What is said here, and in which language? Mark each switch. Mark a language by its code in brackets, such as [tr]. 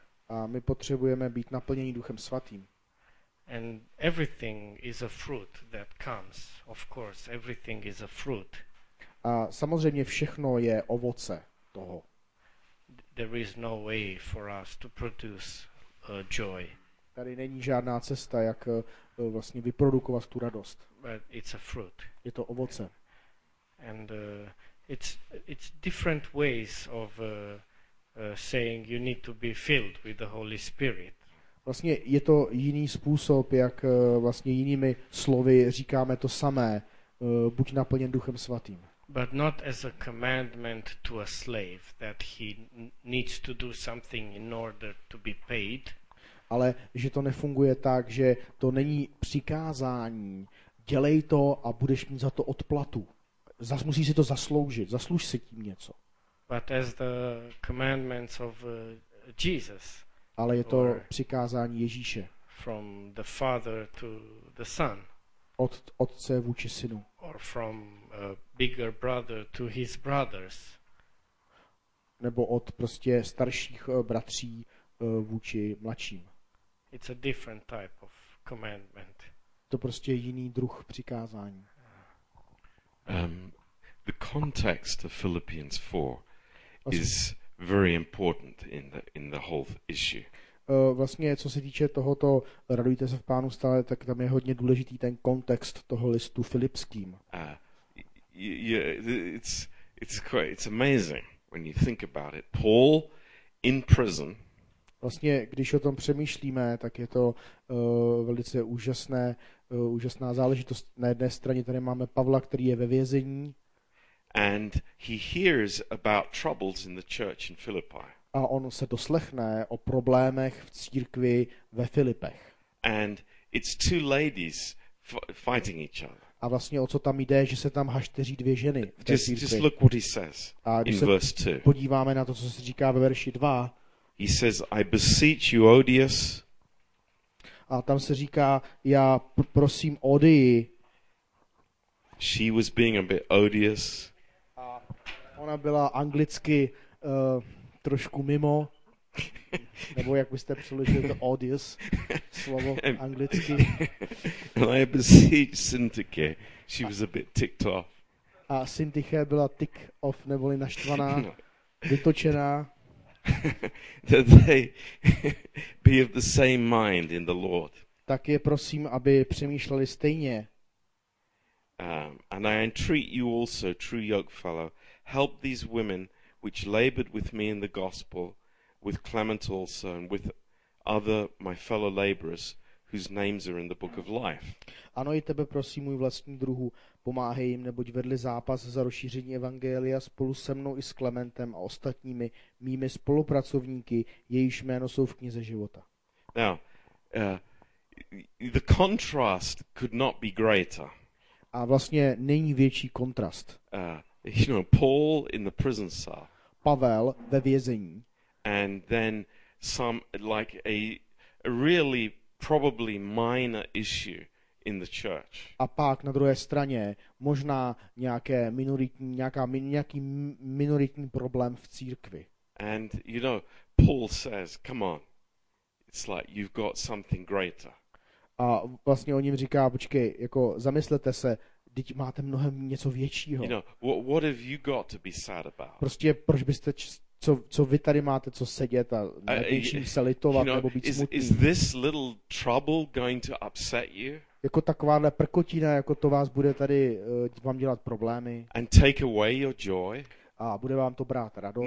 [cs] A my potřebujeme být naplněni Duchem Svatým. [en] And everything is a fruit that comes. Of course, everything is a fruit. [cs] A samozřejmě všechno je ovoce toho. [en] There is no way for us to produce joy. [cs] Tady není žádná cesta, jak vlastně vyprodukovat tu radost. [en] But it's a fruit. [cs] Je to ovoce. [en] And it's different ways of saying you need to be filled with the Holy Spirit. [cs] Vlastně je to jiný způsob, jak vlastně jinými slovy říkáme to samé, buď naplněn Duchem Svatým. [en] But not as a commandment to a slave that he needs to do something in order to be paid. [cs] Ale že to nefunguje tak, že to není přikázání, dělej to a budeš mít za to odplatu. Zas musí si to zasloužit, zasluž si tím něco. [en] But as the commandments of Jesus. [cs] Ale je to přikázání Ježíše. [en] From the Father to the Son. [cs] Od otce vůči synu. [en] Or from a bigger brother to his brothers. [cs] Nebo od prostě starších bratří vůči mladším. [en] It's a different type of commandment. [cs] To prostě je jiný druh přikázání. [en] The context of Philippians 4 is very important in the whole issue. [cs] Vlastně co se týče tohoto radujte se v Pánu stále, tak tam je hodně důležitý ten kontext toho listu Filipským. [en] It's amazing when you think about it. Paul in prison. [cs] Vlastně když o tom přemýšlíme, tak je to velice úžasné, úžasná záležitost. Na jedné straně tady máme Pavla, který je ve vězení. [en] And he hears about troubles in the church in Philippi. [cs] A on se doslechne o problémech v církvi ve Filipech. [en] And it's two ladies fighting each other. [cs] A vlastně o co tam jde, že se tam hašteří dvě ženy v té církvi. [en] Just look what he says in verse 2. [cs] Podíváme na to, co se říká ve verši 2. [en] He says, I beseech you, Odias. [cs] A tam se říká, já prosím Odii. [en] She was being a bit odious. [cs] Ona byla anglicky trošku mimo, nebo jak byste přeložili to odious slovo anglicky. [en] I beseech Syntyche, she was a bit ticked off. [cs] A Syntyche byla [en] tick off, [cs] neboli naštvaná, vytočená. [en] That they be of the same mind in the Lord. [cs] Tak je prosím, aby přemýšleli stejně. [en] And I entreat you also, true yoke fellow, help these women which labored with me in the gospel, with Clement also, and with other my fellow laborers whose names are in the book of life. [cs] Ano, i tebe prosím, můj vlastní druhu, pomáhej jim, neboť vedli zápas za rozšíření evangelia spolu se mnou i s Clementem a ostatními mými spolupracovníky, jejichž jméno jsou v knize života. [en] Now, the contrast could not be greater. [cs] A vlastně není větší kontrast. [en] You know, Paul in the prison cell. [cs] Pavel ve vězení. [en] And then some like a really probably minor issue in the church. [cs] A pak na druhé straně možná nějaké minoritní, nějaký minoritní problém v církvi. [en] And you know, Paul says, come on. It's like you've got something greater. [cs] A vlastně on jim říká, počkej, jako zamyslete se, teď máte mnohem něco většího. [en] You know, what have you got to be sad about? [cs] Prostě proč byste co vy tady máte co sedět a nevětším se litovat, nebo být smutný? [en] Is this little trouble going to upset you? [cs] Jako takováhle prkotina, jako to vás bude tady vám dělat problémy. [en] And take away your joy? [cs] A bude vám to brát radost?